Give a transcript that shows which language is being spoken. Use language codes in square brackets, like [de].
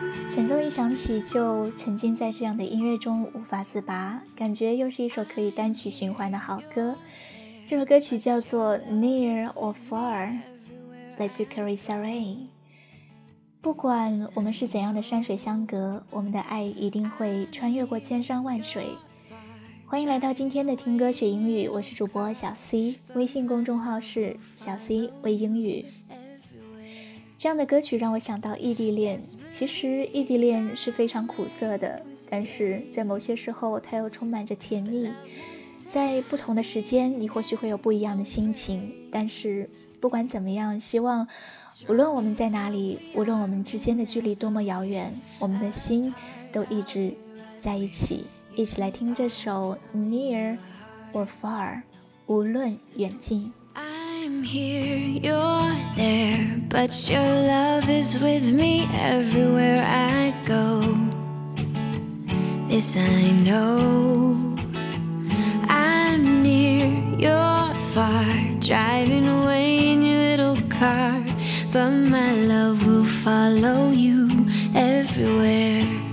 [zh] 前奏一响起，就沉浸在这样的音乐中无法自拔，感觉又是一首可以单曲循环的好歌。这首歌曲叫做 Near or Far， 来自 Carrie Sarai。不管我们是怎样的山水相隔，我们的爱一定会穿越过千山万水。欢迎来到今天的听歌学英语，我是主播小 C， 微信公众号是小 C 微英语。这样的歌曲让我想到异地恋，其实异地恋是非常苦涩的，但是在某些时候它又充满着甜蜜。在不同的时间你或许会有不一样的心情，但是不管怎么样，希望无论我们在哪里，无论我们之间的距离多么遥远，我们的心都一直在一起。一起来听这首 Near or Far， 无论远近。 [en] I'm here, you're there, but your love is with me everywhere I go. This I know. I'm near, you're far, driving away in your little car, but my love will follow you everywhere.